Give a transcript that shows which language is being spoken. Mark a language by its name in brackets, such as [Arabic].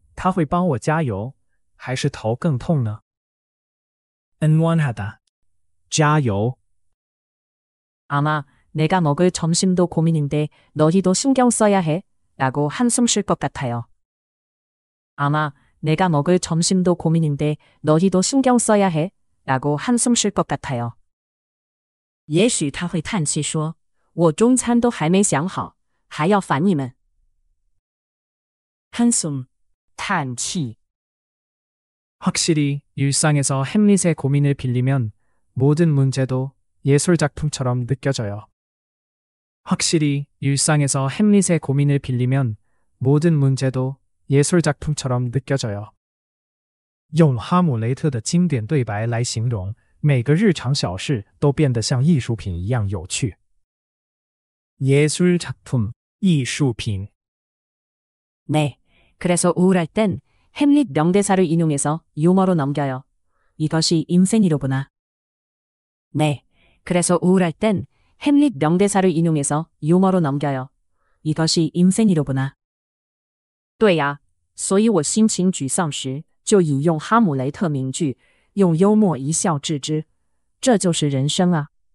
[Chinese] 如果哈姆雷特听到我们这样聊,他会帮我加油,还是头更痛呢? [Korean] 응원하다. 加油. 아마 내가 먹을 점심도 고민인데 너희도 신경 써야 해? 라고 한숨 쉴 것 같아요. 아마 내가 먹을 점심도 고민인데 너희도 신경 써야 해? 라고 한숨 쉴 것 같아요. [Chinese] 也许他会叹气说,我中餐都还没想好,还要烦你们.한숨, 叹气. [Korean] 확실히 일상에서 햄릿의 고민을 빌리면 모든 문제도 예술작품처럼 느껴져요. 확실히 일상에서 햄릿의 고민을 빌리면 모든 문제도 예술작품처럼 느껴져요. [Chinese] 用哈姆雷特的经典对白来形容, 每个日常小事都变得像艺术品一样有趣. [Korean] 예술작품, 艺术品. 네, 그래서 우울할 땐 햄릿 명대사를 인용해서 유머로 넘겨요. 이것이 인생이로구나. 네, 그래서 우울할 땐 햄릿 명대사를 인용해서 유머로 넘겨요. 이것이 인생이로구나. [Chinese] 对呀,所以我心情沮丧时就引用哈姆雷特名句,用幽默一笑置之,这就是人生啊.